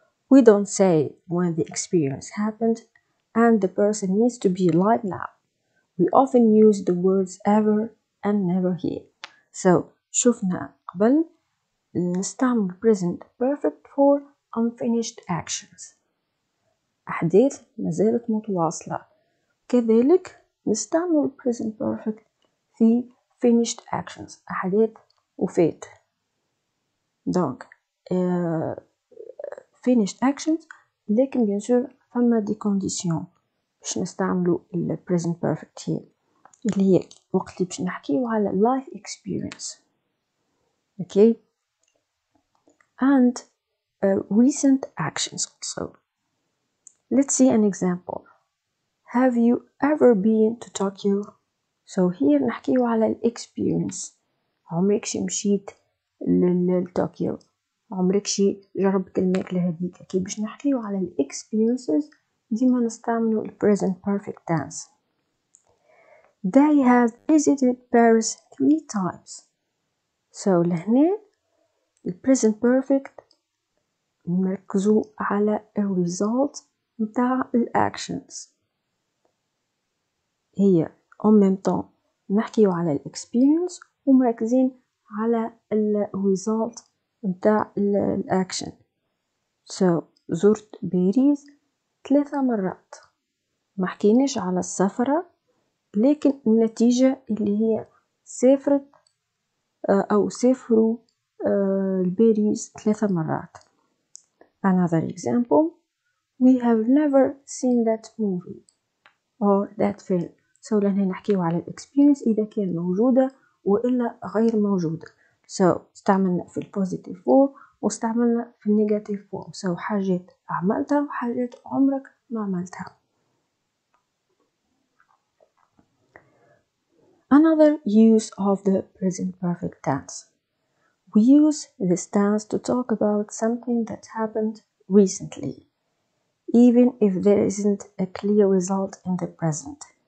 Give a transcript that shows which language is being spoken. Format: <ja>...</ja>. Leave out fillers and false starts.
<en>We don't say when the experience happened and the person needs to be alive now. We often use the words ever and never here. So,</en> <ar>شفنا قبل نستعمل</ar> <en>present perfect for unfinished actions.</en> <ar>أحداث مازالت متواصلة. كذلك نستعمل present perfect في</ar> <en>finished actions</en> <ar>أحداث وفات. دونك</ar> <en>finished actions</en> <ar>لكن بيان سور فما دي كونديسيون باش نستعملوا present perfect هي اللي هي وقت اللي باش نحكيوا على life experience.</ar> <en>Okay and recent actions also. Let's see an example. Have you ever been to Tokyo? So here</en> <ar>نحكيو على الexperience. عمرك شي مشيت لطوكيو؟ عمرك شي جربت الماكلة هذيك؟ كي باش نحكيو على الexperiences ديما نستعملوا الـ</ar> <en>present perfect tense. They have visited Paris 3 times.</en> <ar>So لهنا الـ present perfect نركزوا على الـ result متاع الـ actions. هي</ar> <fr>en même temps</fr> <ar>نحكيوا على الـ experience ومركزين على الـ result متاع الـ action. So زرت باريس 3 مرات. ما حكيناش على السفرة لكن النتيجة اللي هي سافرت أو سافروا لباريس 3 مرات.</ar> <en>Another example, we have never seen that movie or that film.</en> <ar>So لهنا نحكيه على الاكسبيرينس إذا كان موجودة وإلا غير موجودة. So استعملنا في البوزيتيف فور واستعملنا في النيجاتيف فور. So حاجة عملتها وحاجة عمرك ما عملتها.</ar> <en>Another use of the present perfect tense. We use this tense to talk about something that happened recently, even if there isn't a clear result in the present.</en>